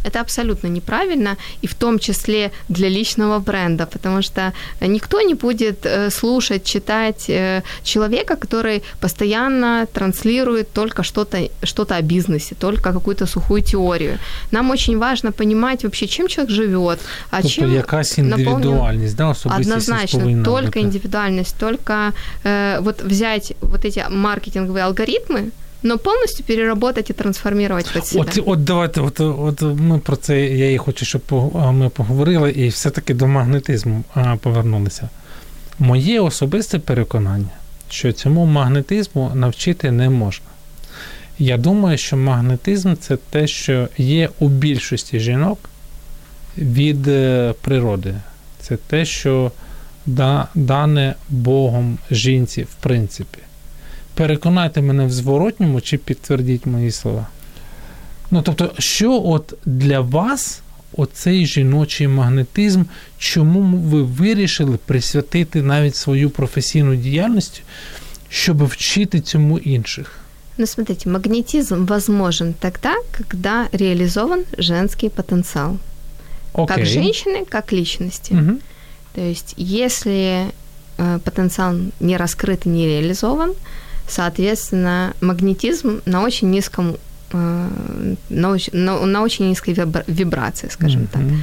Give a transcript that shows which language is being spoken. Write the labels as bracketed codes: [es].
[ru] Это абсолютно неправильно, и в том числе для личного бренда, потому что никто не будет слушать, читать человека, который постоянно транслирует только что-то о бизнесе, только какую-то сухую теорию. Нам очень важно понимать вообще, чем человек живет, а чем индивидуальность, да, особенно однозначно, только индивидуальность, только вот взять вот эти маркетинговые алгоритмы, но полностью переработать и трансформировать под себя. [uk] От давайте, ми про це, я і хочу, щоб ми поговорили, і все-таки до магнетизму повернулися. Моє особисте переконання, що цьому магнетизму навчити не можна. Я думаю, що магнетизм – це те, що є у більшості жінок від природи. Це те, що дане Богом жінці в принципі. Переконайте мене в зворотньому чи підтвердіть мої слова. Ну, тобто, що от для вас оцей жіночий магнетизм, чому ви вирішили присвятити навіть свою професійну діяльність, щоб вчити цьому інших? [ru] Ну, смотрите, магнетизм возможен тогда, когда реализован женский потенциал. Окей. Как женщины, как личности. Угу. То есть, если потенциал не раскрыт и не реализован, соответственно, магнетизм на очень низком, на очень низкой вибрации, скажем так.